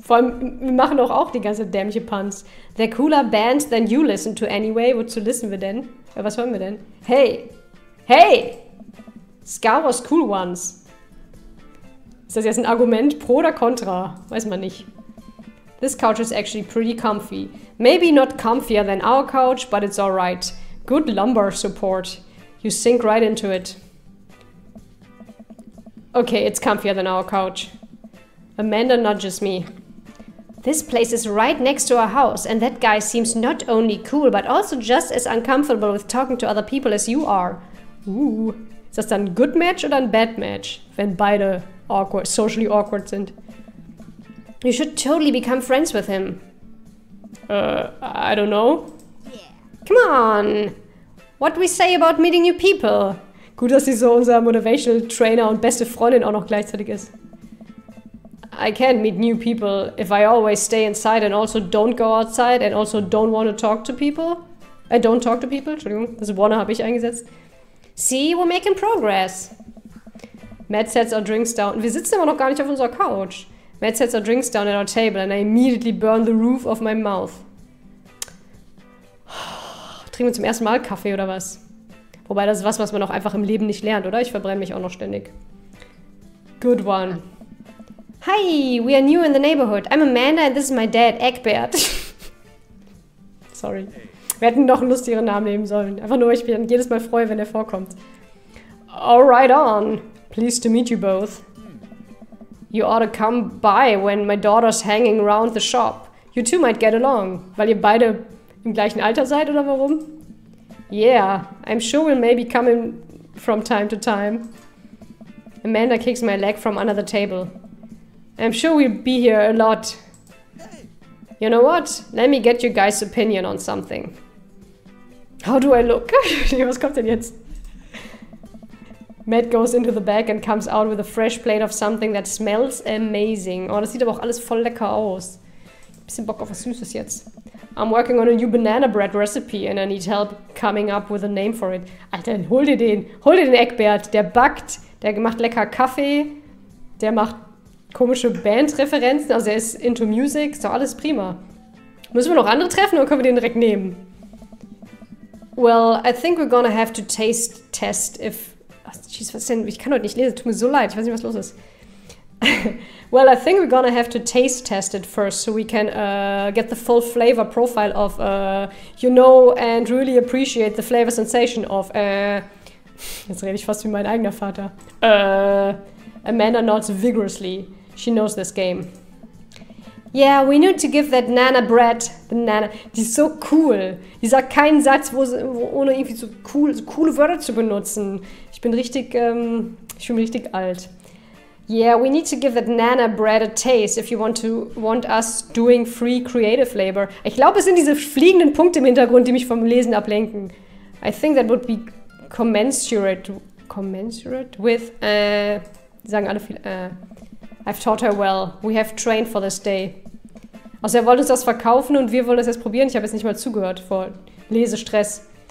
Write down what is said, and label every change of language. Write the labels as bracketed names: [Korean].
[German] Vor allem, wir machen doch auch die ganze dämliche Puns. [English] They're cooler bands than you listen to anyway. [German] Wozu listen wir denn? Was hören wir denn? [English] Hey! Hey! Ska was cool once. [German] Ist das jetzt ein Argument pro oder contra? Weiß man nicht. [English] This couch is actually pretty comfy. Maybe not comfier than our couch, but it's alright. Good lumbar support. You sink right into it. Okay, it's comfier than our couch. Amanda nudges me. This place is right next to our house, and that guy seems not only cool, but also just as uncomfortable with talking to other people as you are. Ooh. [German] Ist das dann ein [English] good match [German] oder ein [English] bad match, [German] wenn beide awkward, socially awkward sind? [English] You should totally become friends with him. I don't know. Yeah. Come on. What we say about meeting new people? [German] Gut, dass sie so unser Motivational Trainer und beste Freundin auch noch gleichzeitig ist. [English] I can't meet new people if I always stay inside and also don't go outside and also don't want to talk to people. Don't talk to people, [German] Entschuldigung, das wanna habe ich eingesetzt. [English] See, we're making progress. Matt sets our drinks down. [German] Wir sitzen aber noch gar nicht auf unserer Couch. [English] Matt sets our drinks down at our table and I immediately burn the roof of my mouth. [German] Trinken wir zum ersten Mal Kaffee oder was? Wobei das ist was, was man auch einfach im Leben nicht lernt, oder? Ich verbrenne mich auch noch ständig. [English] Good one. Hi, we are new in the neighborhood. I'm Amanda and this is my dad, Egbert. Sorry. [German] Wir hätten noch einen lustigeren Namen nehmen sollen. Einfach nur, ich bin jedes Mal freue, wenn er vorkommt. [English] All right on. Pleased to meet you both. You ought to come by when my daughter's hanging around the shop. You two might get along. [German] Weil ihr beide im gleichen Alter seid, oder warum? [English] Yeah, I'm sure we'll maybe come in from time to time. Amanda kicks my leg from under the table. I'm sure we'll be here a lot. You know what? Let me get your guys' opinion on something. How do I look? [German] Was kommt denn jetzt? [English] Matt goes into the bag and comes out with a fresh plate of something that smells amazing. [German] Oh, das sieht aber auch alles voll lecker aus. Bisschen Bock auf was Süßes jetzt. [English] I'm working on a new banana bread recipe and I need help coming up with a name for it. [German] Alter, hol dir den. Hol dir den Egbert. Der backt. Der macht lecker Kaffee. Der macht komische Bandreferenzen, also er ist into music, ist doch alles prima. Müssen wir noch andere treffen oder können wir den direkt nehmen? [English] Well, I think we're gonna have to taste test if... [German] Ach, jeez, was denn? Ich kann heute nicht lesen, tut mir so leid, ich weiß nicht, was los ist. [English] Well, I think we're gonna have to taste test it first, so we can get the full flavor profile of, you know, and really appreciate the flavor sensation of, [German] Jetzt rede ich fast wie mein eigener Vater. [English] Amanda nods vigorously. She knows this game. Yeah, we need to give that Nana bread. [German] The Nana. Die ist so cool. Die sagt keinen Satz, ohne irgendwie so coole Wörter zu benutzen. Ich bin richtig, ich fühle mich richtig alt. [English] Yeah, we need to give that Nana bread a taste if you want us doing free creative labor. [German] Ich glaube, es sind diese fliegenden Punkte im Hintergrund, die mich vom Lesen ablenken. [English] I think that would be commensurate. Commensurate? With, [German] Die sagen alle viel, [English] I've taught her well. We have trained for this day. [German] Also er wollte uns das verkaufen und wir wollen das jetzt probieren. Ich habe jetzt nicht mal zugehört vor Lesestress.